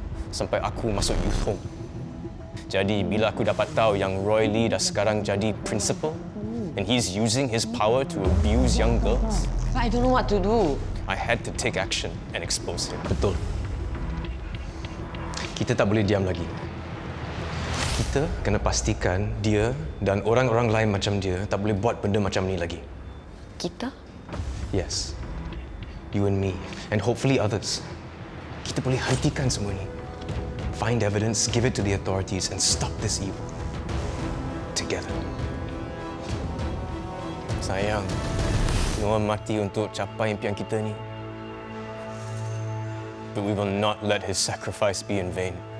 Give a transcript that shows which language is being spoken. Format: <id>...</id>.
<ms>Sampai aku masuk youth home. Jadi bila aku dapat tahu yang Roy Lee dah sekarang jadi</ms> <en>principal and he's using his power to abuse young girls, I don't know what to do. I had to take action and expose him.</en> <ms>Betul. Kita tak boleh diam lagi. Kita kena pastikan dia dan orang-orang lain macam dia tak boleh buat benda macam ni lagi. Kita?</ms> <en>Yes. You and me. And hopefully others.</en> <ms>Kita boleh hentikan semua ni.</ms> <en>Find evidence, give it to the authorities and stop this evil. Together.</en> <ms>Sayang. Semua mati untuk capai impian kita ni.</ms> <en>But we will not let his sacrifice be in vain.</en>